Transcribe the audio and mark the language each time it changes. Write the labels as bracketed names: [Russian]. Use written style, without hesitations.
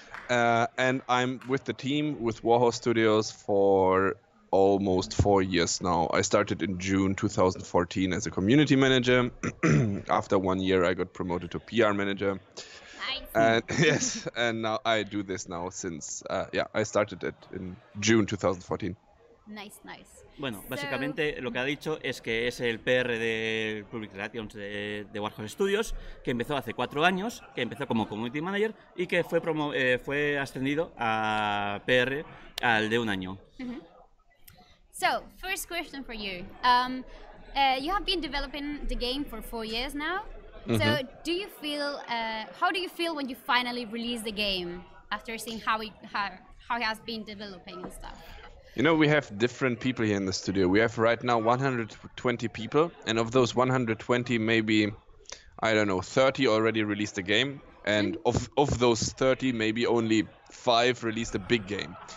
[English] And I'm with the team, with Warhorse Studios, for almost 4 years now. I started in June 2014 as a community manager. After 1 year, I got promoted to PR manager. Nice. And yes, and now I do this now since, I started it in June 2014. Nice, nice. [Spanish] Bueno, básicamente lo que ha dicho es que es el PR de Public Relations de Warhorse Studios, que empezó hace 4 años, que empezó como Community Manager y que fue ascendido a PR al de 1 año. [English] Mm-hmm. So, first question for you. You have been developing the game for 4 years now. So, mm-hmm. How do you feel when you finally release the game after seeing how it has been developing and stuff? You know, we have different people here in the studio. We have right now 120 people, and of those 120, maybe, I don't know, 30 already released a game, and of those 30, maybe only 5 released a big game.